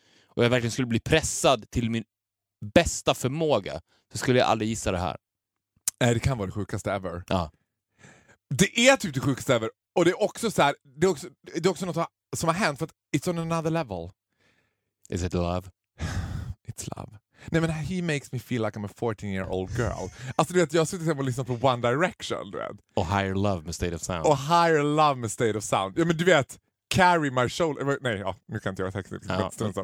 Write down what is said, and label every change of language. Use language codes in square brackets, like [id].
[sv] Och jag verkligen skulle bli pressad till min bästa förmåga, så skulle jag aldrig gissa det här. Nej, det kan vara det sjukaste ever. Ja. Det är typ det sjukaste ever. Och det är också så här, det är också något som har hänt, för att [en] it's on another level. Is it love? It's love. [sv] Nej, men [en] he makes me feel like I'm a 14-year-old girl. [sv] Alltså du vet, jag sitter och lyssnar på One Direction, du vet. Och Higher Love med State of Sound. Och Higher Love med State of Sound. Ja, men du vet, [en] carry my soul. [sv] Nej, ja, nu kan inte jag säga det.